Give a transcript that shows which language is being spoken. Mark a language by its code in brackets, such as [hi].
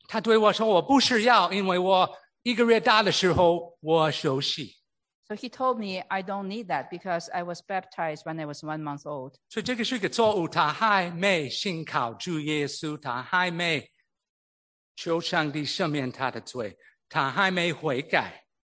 [zh] 他对我说，我不需要，因为我一个月大的时候我受洗。 [en] So he told me, I don't need that because I was baptized when I was 1 month old. [zh] 所以这个是一个错误，他还没信靠主耶稣，他还没求上帝赦免他的罪，他还没悔改。